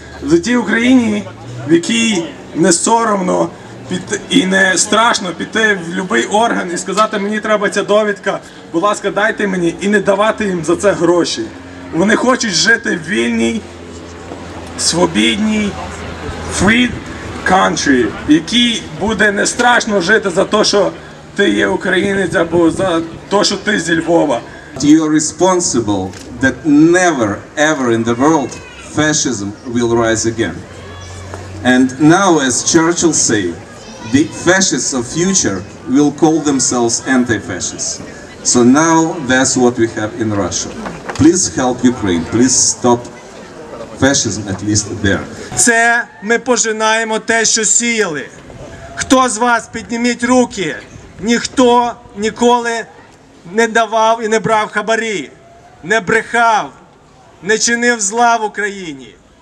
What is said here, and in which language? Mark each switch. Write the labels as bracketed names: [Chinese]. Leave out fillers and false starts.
[Ukrainian] За тій Україні, в якій не соромно і не страшно піти в будь-який орган і сказати, мені треба ця довідка, будь ласка, дайте мені, і не давати їм за це гроші. Вони хочуть жити в вільній, свобідній, [English] free country, [Ukrainian] який буде не страшно жити за те, що ти є українець, або за те, що ти зі Львова. [English] You're responsible that never, ever in the world fascism will rise again. And now, as Churchill said, the fascists of future will call themselves anti-fascists. So now that's what we have in Russia. Please help Ukraine. Please stop fascism, at least there. [Ukrainian] Це ми пожинаємо те, що сіяли. Хто з вас, підніміть руки. Ніхто ніколи не давав і не брав хабарі, не брехав, не чинив зла в Україні.